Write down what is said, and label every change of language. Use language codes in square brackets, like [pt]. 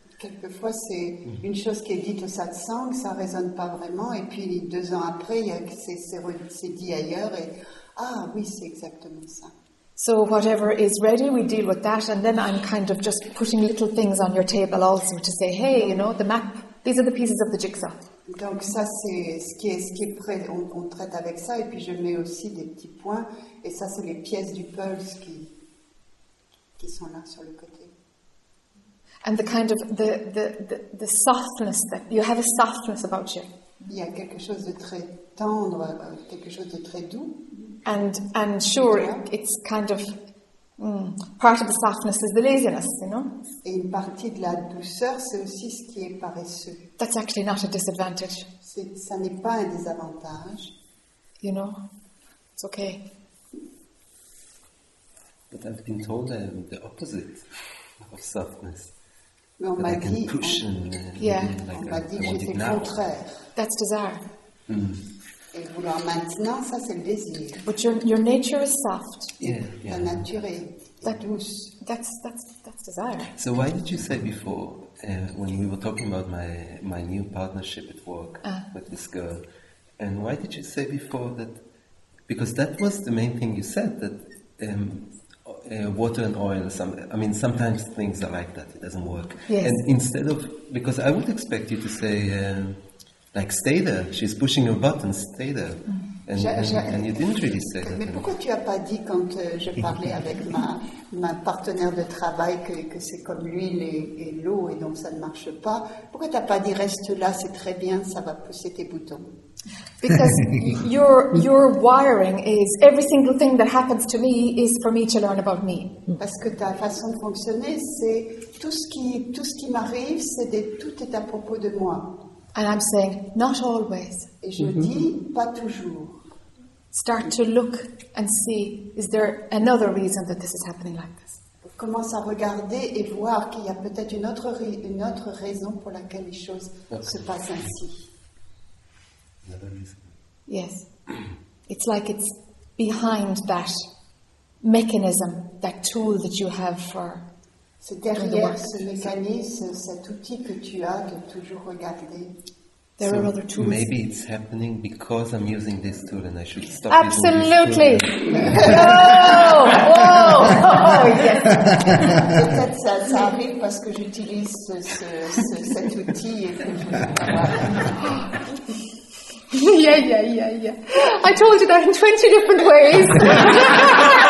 [fr] Quelquefois, c'est une chose qui est dite au satsang, ça ne résonne pas vraiment, et puis 2 ans après, c'est dit ailleurs, et ah oui, c'est exactement ça. [en] So whatever is ready, we deal with that, and then I'm kind of just putting little things on your table also to say, hey, you know, the map, these are the pieces of the jigsaw. [fr] Donc ça c'est ce qui est prêt, on traite avec ça, et puis je mets aussi des petits points, et ça c'est les pièces du pulse qui sont là sur le côté. [en] And the kind of the softness, that you have a softness about you. [fr] Il y a quelque chose de très tendre, quelque chose de très doux. [en] And sure, it's kind of part of the softness is the laziness, you know. [fr] Et une partie de la douceur, c'est aussi ce qui est paresseux. [en] That's actually not a disadvantage. [fr] Ça n'est pas un désavantage. [en] You know, it's okay. But I've been told the opposite of softness. [fr] Mais on m'a dit, on m'a dit que j'étais le contraire. [en] That's desire. [fr] Et vouloir maintenant, ça c'est le désir. [en] But your nature is soft. Yeah. [fr] La nature est douce. [en] That's desire. So why did you say before, when we were talking about my new partnership at work with this girl, and why did you say before that, because that was the main thing you said, that water and oil, sometimes things are like that, it doesn't work. Yes. And instead of, because I would expect you to say, stay there, she's pushing a button, stay there. And you didn't really say that. [fr] Mais pourquoi tu n'as pas dit quand je parlais avec ma partenaire de travail que c'est comme l'huile et l'eau et donc ça ne marche pas? Pourquoi tu n'as pas dit reste là, c'est très bien, ça va pousser tes boutons? [en] Because your wiring is every single thing that happens to me is for me to learn about me. [fr] Parce que ta façon de fonctionner, c'est tout ce qui m'arrive, c'est tout est à propos de moi. [en] And I'm saying not always. [fr] Et je dis pas toujours. [en] Start to look and see, is there another reason that this is happening like this? [fr] Commence à regarder et voir qu'il y a peut-être une autre raison pour laquelle les choses se passent ainsi. [en] Yes, it's like it's behind that mechanism, that tool that you have for. [fr] C'est derrière ce mécanisme, cet outil que tu as de toujours regarder. [en] There are other tools. Maybe it's happening because I'm using this tool and I should stop using this. Absolutely. Whoa! Oh yes. [fr] Peut-être ça arrive parce que j'utilise cet outil et que je. [en] Yeah. I told you that in 20 different ways.